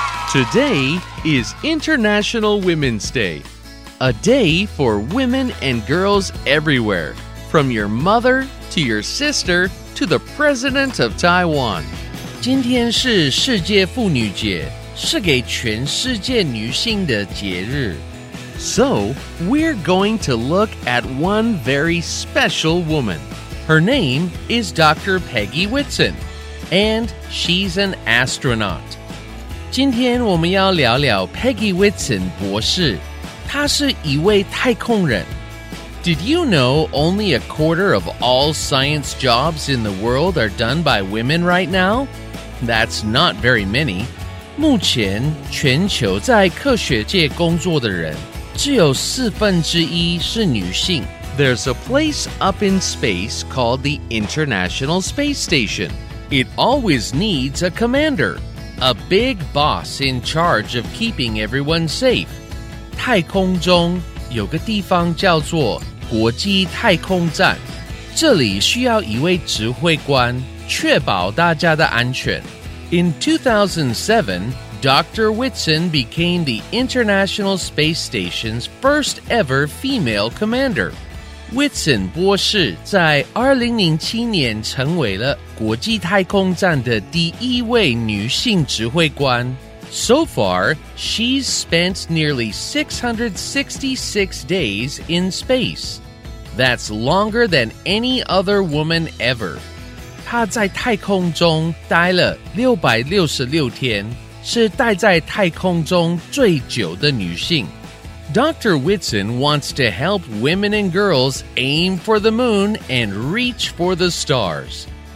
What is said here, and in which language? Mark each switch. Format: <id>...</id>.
<en>Today is International Women's Day, a day for women and girls everywhere, from your mother to your sister to the President of Taiwan.</en> <zh>今天是世界妇女节，是给全世界女性的节日。</zh> <en>So, we're going to look at one very special woman. Her name is Dr. Peggy Whitson, and she's an astronaut.</en> <zh>今天我们要聊聊 Peggy Whitson 博士，她是一位太空人。</zh> <en>Did you know only a quarter of all science jobs in the world are done by women right now? That's not very many.</en> <zh>目前全球在科学界工作的人只有四分之一是女性。</zh> <en>There's a place up in space called the International Space Station. It always needs a commander, a big boss in charge of keeping everyone safe.</en> <zh>太空中有个地方叫做国际太空站，这里需要一位指挥官，确保大家的安全。</zh> <en>In 2007, Dr. Whitson became the International Space Station's first ever female commander.</en> <zh>Whitson 博士在2007年成为了国际太空站的第一位女性指挥官。</zh> <en>So far, she's spent nearly 666 days in space. That's longer than any other woman ever.</en> <zh>她在太空中待了666天,是待在太空中最久的女性。</zh> <en>Dr. Whitson wants to help women and girls aim for the moon and reach for the stars.</en>